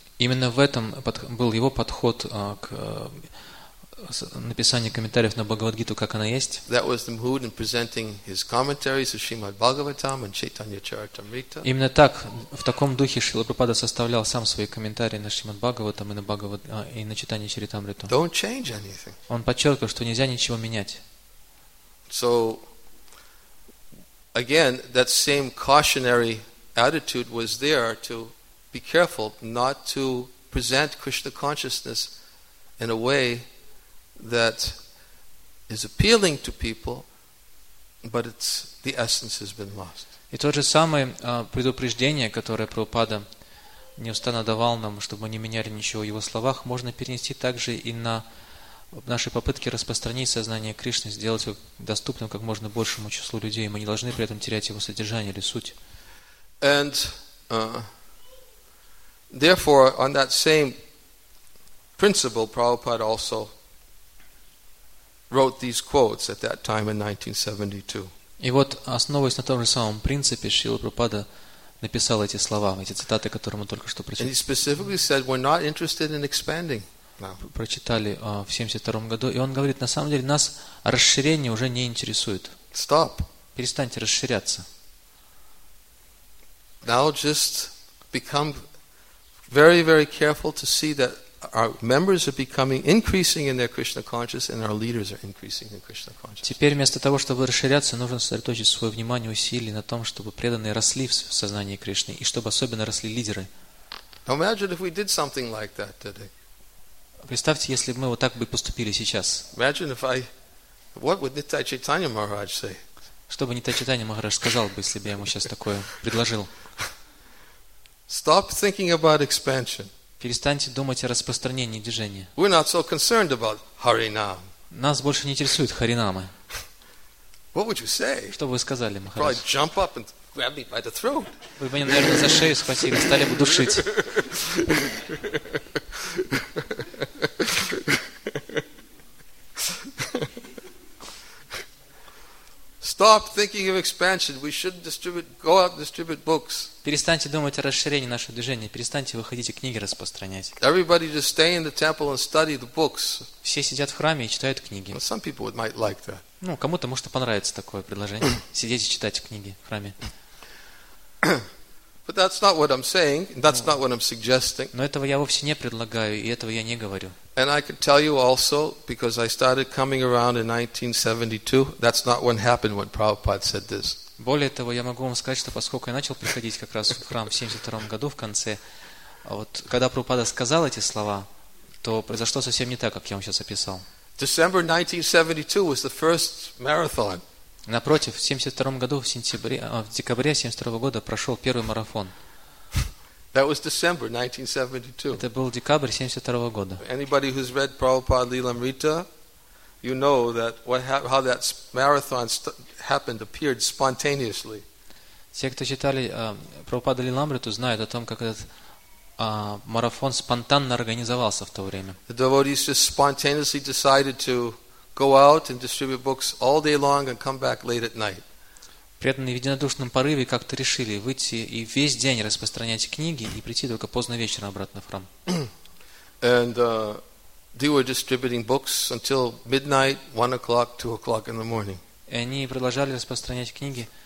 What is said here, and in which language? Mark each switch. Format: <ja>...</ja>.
<ru>Именно в этом был его подход к написание комментариев на Бхагавад-гиту, как она есть.</ru> <en>That was the mood in presenting his commentaries of Shrimad Bhagavatam and Chaitanya Charitamrita.</en> <ru>Именно так, в таком духе Шрила Прабхупада составлял сам свои комментарии на Шримад Бхагаватам и на Бхагавад и на Чайтанья Чаритамриту.</ru> <en>Don't change anything.</en> <ru>Он подчеркивал, что нельзя ничего менять.</ru> <en>So again, that same cautionary attitude was there to be careful not to present Krishna consciousness in a way that is appealing to people, but it's the essence has been lost.</en> <ru>И то же самое предупреждение, которое Прабхупада неустанно давал нам, чтобы мы не меняли ничего в его словах, можно перенести также и на нашей попытке распространить сознание Кришны, сделать его доступным как можно большему числу людей. Мы не должны при этом терять его содержание или суть.</ru> <en>And therefore, on that same principle, Prabhupada also wrote these quotes at that time in 1972.</en> <ru>И вот, основываясь на том же самом принципе, Шрила Прабхупада написал эти слова, эти цитаты, которые мы только что прочитали.</ru> <en>And he specifically said, we're not interested in expanding. No.</en> <ru>Прочитали в 72-м году. И он говорит, на самом деле, нас расширение уже не интересует.</ru> <en>Stop.</en> <ru>Перестаньте расширяться.</ru> <en>Now just become very, very careful to see that our members are becoming increasing in their Krishna consciousness and our leaders are increasing in Krishna consciousness.</en> <ru>Теперь вместо того, чтобы расширяться, нужно сосредоточить свое внимание, усилия на том, чтобы преданные росли в сознании Кришны и чтобы особенно росли лидеры.</ru> <en>Imagine if we did something like that today.</en> <ru>Представьте, если бы мы вот так бы поступили сейчас.</ru> <en>Imagine if I, what would Nitya Chaitanya Maharaj say?</en> <ru>Что бы Нитья Чайтанья Махарадж сказал бы, если бы я ему сейчас такое предложил?</ru> <en>Stop thinking about expansion.</en> <ru>Перестаньте думать о распространении движения.</ru> <en>We're not so concerned about Харинам.</en> <ru>Нас больше не интересуют Харинамы.</ru> <en>What would you say?</en> <ru>Что бы вы сказали, Махарадж?</ru> <en>Probably jump up and grab me by the throat.</en> <ru>Вы бы меня, наверное, за шею схватили, стали бы душить.</ru> <en>Stop thinking of expansion. We shouldn't distribute, go out and distribute books.</en> <ru>Перестаньте думать о расширении нашего движения. Перестаньте выходить и книги распространять.</ru> <en>Everybody just stay in the temple and study the books.</en> <ru>Все сидят в храме и читают книги.</ru> <en>Well, some people might like that.</en> <ru>Ну, кому-то может понравится такое предложение. Сидеть и читать книги в храме.</ru> <en>But that's not what I'm saying. That's not what I'm suggesting.</en> <ru>Но этого я вовсе не предлагаю и этого я не говорю.</ru> <en>And I can tell you also, because I started coming around in 1972, that's not what happened when Prabhupada said this.</en> <ru>Более того, я могу вам сказать, что поскольку я начал приходить как раз в храм в 72-м году, в конце, вот когда Прабхупада сказал эти слова, то произошло совсем не так, как я вам сейчас описал.</ru> <en>December 1972 was the first marathon.</en> <ru>Напротив, в 72-м году, в декабре 72-го года прошел первый марафон.</ru> <en>That was December 1972.</en> <ru>Это был декабрь 72-го года.</ru> <en>Anybody who's read Prabhupada Lilamrita, you know that what how that marathon happened appeared spontaneously.</en> <ru>Все, кто читали Прабхупада Лиламриту, знают о том, как этот марафон спонтанно организовался в то время.</ru> <en>The devotees just spontaneously decided to go out and distribute books all day long and come back late at night.</en> <ru>Преданные в единодушном порыве как-то решили выйти и весь день распространять книги и прийти только поздно вечером обратно в храм.</ru> <en>And they were distributing books until midnight, 1 o'clock, 2 o'clock in the morning.</en> <ru>И они продолжали распространять книги.</ru>